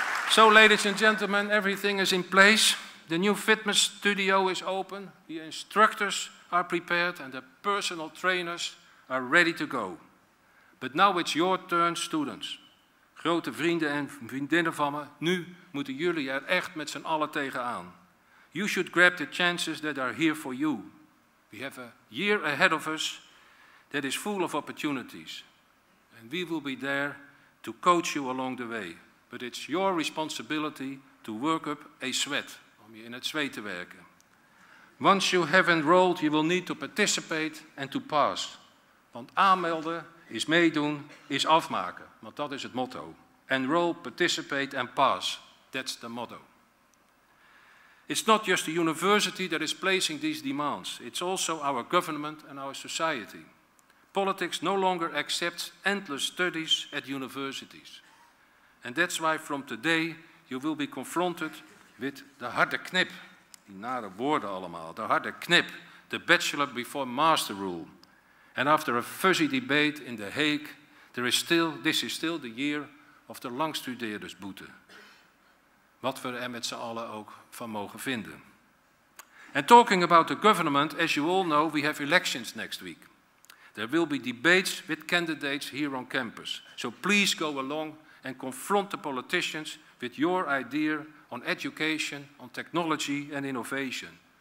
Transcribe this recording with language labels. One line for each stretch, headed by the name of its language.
English: So, ladies and gentlemen, everything is in place. The new fitness studio is open. The instructors are prepared and the personal trainers are ready to go. But now it's your turn, students.
Dutch: Grote vrienden en vriendinnen van me, nu moeten jullie er echt met z'n allen tegenaan.
English: You should grab the chances that are here for you. We have a year ahead of us that is full of opportunities. And we will be there to coach you along the way. But it's your responsibility to work up a sweat,
Dutch: om je in het zweet te werken.
English: Once you have enrolled, you will need to participate and to pass.
Dutch: Want aanmelden is meedoen, is afmaken, want dat is het motto.
English: Enroll, participate and pass, that's the motto. It's not just the university that is placing these demands, it's also our government and our society. Politics no longer accepts endless studies at universities. And that's why from today you will be confronted with the harde knip,
Dutch: die nare woorden allemaal,
English: de harde knip, the bachelor before master rule. And after a fuzzy debate in The Hague, this is still the year of the langstudeerdersboete.
Dutch: Wat we er met z'n allen ook van mogen vinden.
English: And talking about the government, as you all know, we have elections next week. There will be debates with candidates here on campus. So please go along and confront the politicians with your idea on education, on technology and innovation.